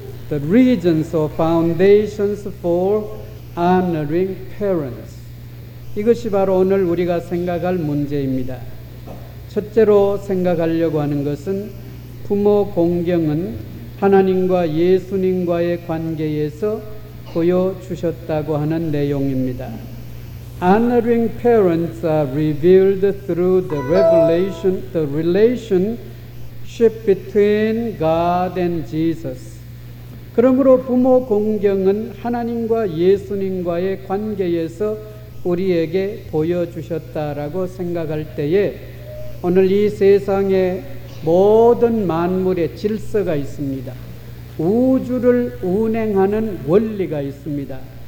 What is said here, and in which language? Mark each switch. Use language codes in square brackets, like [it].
[en] The reasons or foundations for honoring parents. [ko] 이것이 바로 오늘 우리가 생각할 문제입니다. 첫째로 생각하려고 하는 것은 부모 공경은 하나님과 예수님과의 관계에서 보여주셨다고 하는 내용입니다. [en] Honoring parents are revealed through the revelation, the relationship between God and Jesus. [ko] 그러므로 부모 공경은 하나님과 예수님과의 관계에서 우리에게 보여주셨다라고 생각할 때에 오늘 이 세상에 모든 만물의 질서가 있습니다. 우주를 운행하는 원리가 있습니다.